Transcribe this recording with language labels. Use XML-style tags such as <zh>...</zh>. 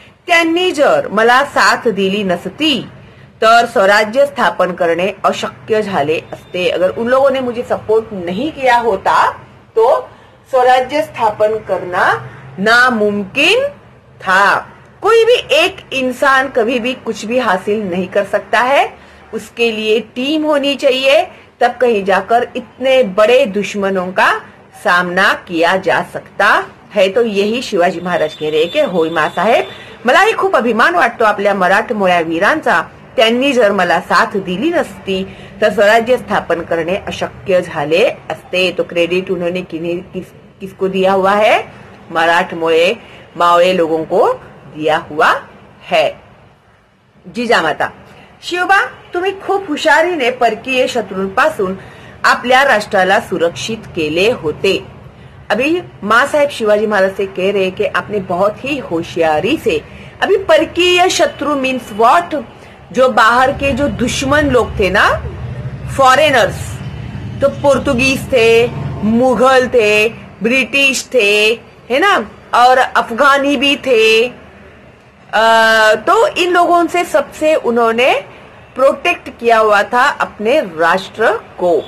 <mr>त्यांनी जर मला साथ दिली नसती तर स्वराज्य स्थापन करणे अशक्य झाले असते,</mr> <hi>अगर उन लोगों ने मुझे सपोर्ट नहीं किया होता तो स्वराज्य स्थापन करना नामुमकिन था। कोई भी एक इंसान कभी भी कुछ भी हासिल नहीं कर सकता है, उसके लिए टीम होनी चाहिए, तब कहीं जाकर इतने बड़े दुश्मनों का सामना किया जा सकता है। तो यही शिवाजी महाराज कह रहे कि</hi> <mr>होय मां साहेब, मला ही खूप अभिमान वाटतो आपल्या मराठ मोळ्या वीरांचा, त्यांनी जर मला साथ दिली नसती तर स्वराज्य स्थापन करणे अशक्य झाले असते।</mr> <hi>तो क्रेडिट उन्होंने किसको दिया हुआ है, मराठ मोळे मावळे लोगों को दिया हुआ है।</hi> <mr>जीजा माता, शिवबा तुम्ही खूप हुशारीने परकीय शत्रूंपासून आपल्या राष्ट्राला सुरक्षित केले होते।</mr> <hi>अभी माँ साहेब शिवाजी महाराज से कह रहे कि आपने बहुत ही होशियारी से अभी परकीय शत्रु मीन्स व्हाट, जो बाहर के जो दुश्मन लोग थे ना, फॉरेनर्स, तो पुर्तुगीज थे, मुगल थे, ब्रिटिश थे, है ना, और अफगानी भी थे, तो इन लोगों से सबसे उन्होंने प्रोटेक्ट किया हुआ था अपने राष्ट्र को।</hi>